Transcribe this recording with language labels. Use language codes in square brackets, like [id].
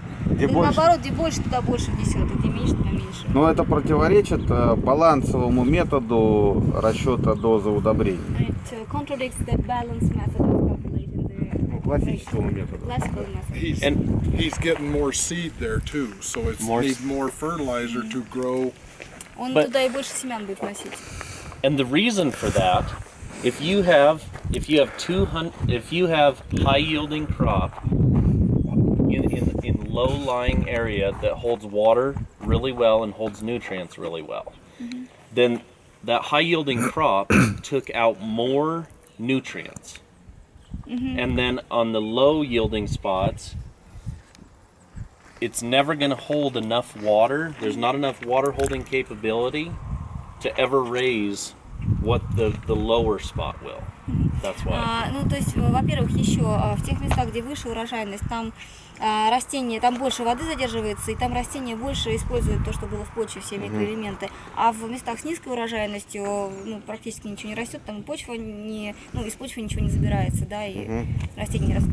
[ru] Где больше, наоборот, где больше, туда больше несет, где меньше, туда меньше. Но это противоречит балансовому методу расчета дозы удобрений. [en] It contradicts the balance method of calculating the [ru] классическому методу. [en] Classical method. He's getting more seed there too, so it needs more fertilizer to grow. [ru] Он туда и больше семян будет вносить. [en] And the reason for that, if you have high yielding crop in low-lying area that holds water really well and holds nutrients really well, then that high-yielding crop took out more nutrients. And then on the low-yielding spots, it's never going to hold enough water. There's not enough water-holding capability to ever raise what the lower spot will. That's why. [ru] Ну, то есть, во-первых, еще в тех местах, где выше урожайность, там растения, там больше воды задерживается, и там растения больше используют то, что было в почве, все микроэлементы. А в местах с низкой урожайностью практически ничего не растет, там почва не, из почвы ничего не забирается, да, и растения не растут.